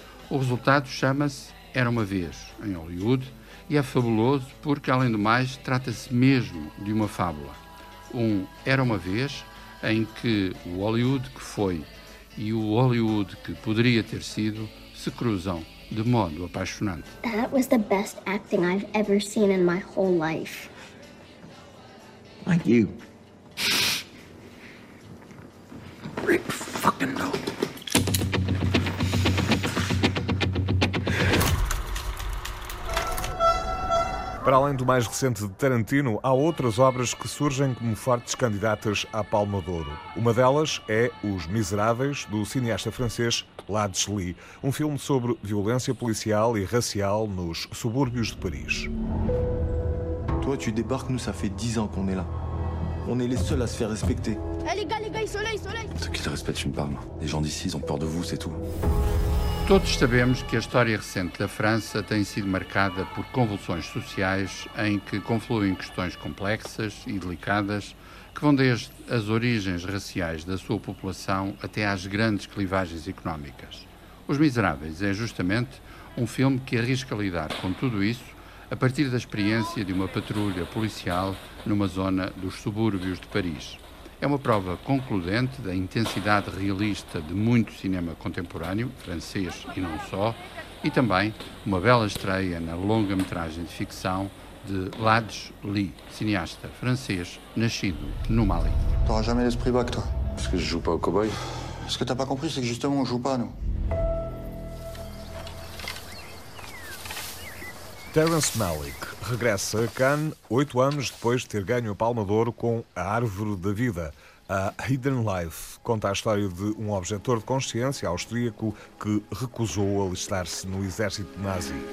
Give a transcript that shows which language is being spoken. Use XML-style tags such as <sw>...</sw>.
<pt>O resultado chama-se Era Uma Vez, em Hollywood, e é fabuloso porque, além do mais, trata-se mesmo de uma fábula. Um Era Uma Vez, em que o Hollywood que foi e o Hollywood que poderia ter sido se cruzam de modo apaixonante.</pt> <en>That was the best acting I've ever seen in my whole life. Like you. Rip fucking dog.</en> <pt>Para além do mais recente de Tarantino, há outras obras que surgem como fortes candidatas à Palma de Ouro. Uma delas é Os Miseráveis, do cineasta francês Ladis Lee, um filme sobre violência policial e racial nos subúrbios de Paris.</pt> <fr>Toi, tu débarques, nous, ça fait 10 ans qu'on est là. On est les seuls à se faire respecter. Hey, les gars, soleil, soleil. Ceux qui te respectent, tu me parles. Les gens d'ici, ils ont peur de vous, c'est tout.</fr> <pt>Todos sabemos que a história recente da França tem sido marcada por convulsões sociais em que confluem questões complexas e delicadas que vão desde as origens raciais da sua população até às grandes clivagens económicas. Os Miseráveis é justamente um filme que arrisca lidar com tudo isso a partir da experiência de uma patrulha policial numa zona dos subúrbios de Paris. É uma prova concludente da intensidade realista de muito cinema contemporâneo, francês e não só, e também uma bela estreia na longa-metragem de ficção de Ladj Ly, cineasta francês nascido no Mali.</pt> <fr>Tu n'auras jamais l'esprit bac, toi. Parce que je joue pas au cowboy. Ce que t'as pas compris, c'est que justement on joue pas, nous.</fr> <pt>Terrence Malick regressa a Cannes 8 anos depois de ter ganho a Palma de Ouro com A Árvore da Vida. A Hidden Life conta a história de um objetor de consciência austríaco que recusou alistar-se no exército nazi.</pt>